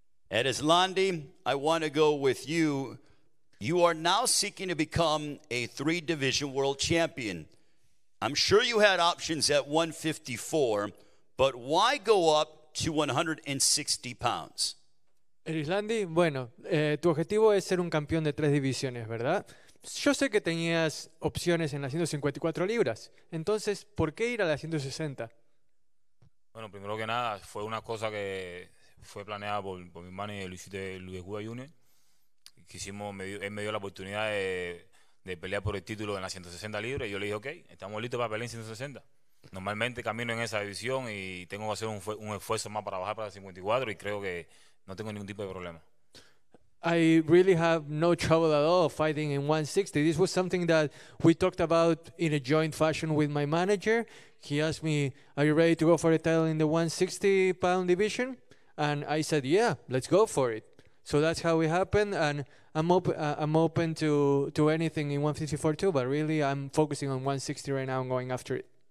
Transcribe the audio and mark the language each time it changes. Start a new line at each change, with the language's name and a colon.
English: Erislandy, I want to go with you. You are now seeking to become a 3-division world champion. I'm sure you had options at 154, but why go up to 160 pounds?
Spanish: Erislandy, bueno, tu objetivo es ser un campeón de 3 divisiones, ¿verdad? Yo sé que tenías opciones en las 154 libras. Entonces, ¿por qué ir a las 160? Bueno, primero que nada, fue una cosa que fue planeada por mi hermano y Luis de Cuba Junior. Él me dio la oportunidad de pelear por el título en las 160 libras y yo le dije, ok, estamos listos para pelear en 160. Normalmente camino en esa división y tengo que hacer un esfuerzo más para bajar para 54 y creo que no tengo ningún tipo de problema.
English: I really have no trouble at all fighting in 160. This was something that we talked about in a joint fashion with my manager. He asked me, are you ready to go for a title in the 160-pound division? And I said, yeah, let's go for it. So that's how it happened, and I'm open to anything in 154 too, but really I'm focusing on 160 right now and going after it.